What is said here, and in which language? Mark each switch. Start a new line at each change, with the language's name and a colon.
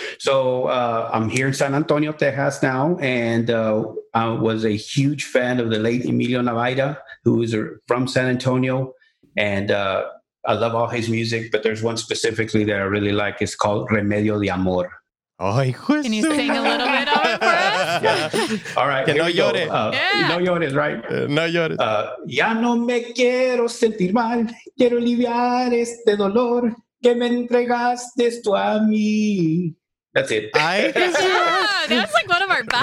English: So I'm here in San Antonio, Texas now. And I was a huge fan of the late Emilio Navaira, who is from San Antonio. And I love all his music, but there's one specifically that I really like. It's called Remedio de Amor. Ay, Jesus. Can you sing a little bit of it for us? Yeah. All right.
Spanish: Que no llores. No llores, right? No llores. Ya no me quiero sentir mal. Quiero aliviar este dolor que me entregaste tú a mí.
English: That's it. That's like one of our best.